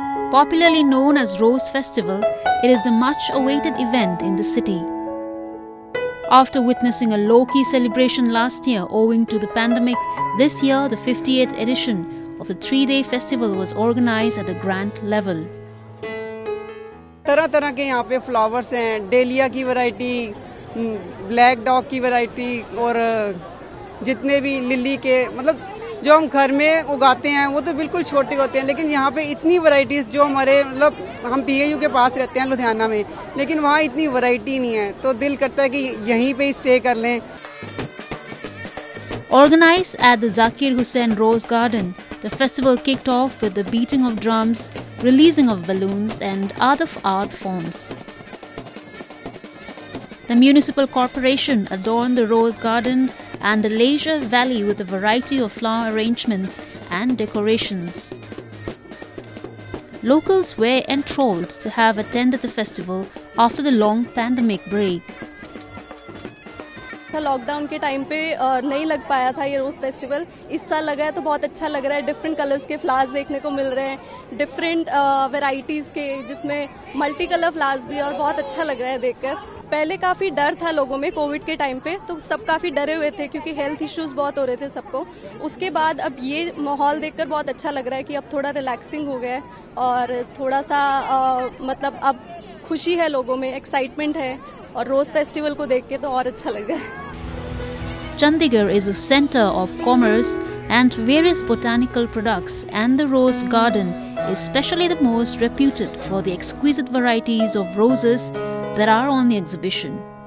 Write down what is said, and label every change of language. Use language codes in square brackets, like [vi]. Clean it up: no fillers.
[en] Popularly known as Rose Festival, it is the much-awaited event in the city. After witnessing a low-key celebration last year owing to the pandemic, this year the 58th edition of the three-day festival was organized at the grand level. [hi] तरह तरह के यहाँ पे flowers हैं, dahlia की variety, black dog की variety और जितने भी lily के मतलब जो हम घर में उगाते हैं वो तो बिल्कुल छोटे होते हैं लेकिन यहाँ पे इतनी वैरायटीज जो हमारे मतलब हम पीएयू के पास रहते हैं लुधियाना में लेकिन वहाँ इतनी वैरायटी नहीं है तो दिल करता है कि यहीं पे स्टे कर लें। [en] Organized at the Zakir Hussain Rose Garden, the festival kicked off with the beating of drums, releasing of balloons and other art forms. The municipal corporation adorned the Rose Garden and the Leisure Valley with a variety of flower arrangements and decorations. Locals were enthralled to have attended the festival after the long pandemic break. [hi] Lockdown के time पे नहीं लग पाया था ये रोज festival इस साल लगा है तो बहुत अच्छा लग रहा है डिफरेंट कलर्स के फ्लावर्स देखने को मिल रहे हैं डिफरेंट वैरायटीज के जिसमें मल्टी कलर फ्लावर्स भी और बहुत अच्छा लग रहा है देखकर पहले काफी डर था लोगों में कोविड के टाइम पे तो सब काफी डरे हुए थे क्योंकि हेल्थ इश्यूज बहुत हो रहे थे सबको उसके बाद अब ये माहौल देखकर बहुत अच्छा लग रहा है कि अब थोड़ा रिलैक्सिंग हो गया है और थोड़ा सा मतलब अब खुशी है लोगों में एक्साइटमेंट है और रोज फेस्टिवल को देख के तो और अच्छा लग रहा है [en] Chandigarh is a center of commerce and various botanical products and the rose garden is specially the most reputed for the exquisite varieties of roses that are on the exhibition.